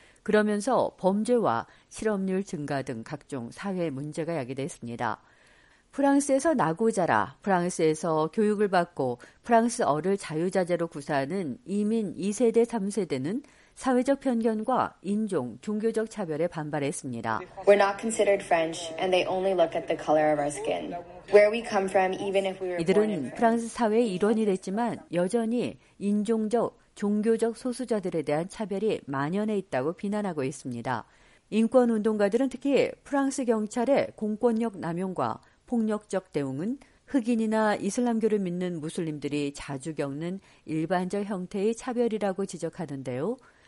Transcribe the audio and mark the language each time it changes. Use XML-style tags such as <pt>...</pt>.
<ko>그러면서 범죄와 실업률 증가 등 각종 사회 문제가 야기됐습니다. 프랑스에서 나고 자라, 프랑스에서 교육을 받고 프랑스어를 자유자재로 구사하는 이민 2세대, 3세대는 사회적 편견과 인종, 종교적 차별에 반발했습니다.</ko> <en>We're not considered French and they only look at the color of our skin. Where we come from, even if we were</en> <ko>이들은 프랑스 사회의 일원이 됐지만 여전히 인종적, 종교적 소수자들에 대한 차별이 만연해 있다고 비난하고 있습니다. 인권 운동가들은 특히 프랑스 경찰의 공권력 남용과 폭력적 대응은 흑인이나 이슬람교를 믿는 무슬림들이 자주 겪는 일반적 형태의 차별이라고 지적하는데요.</ko>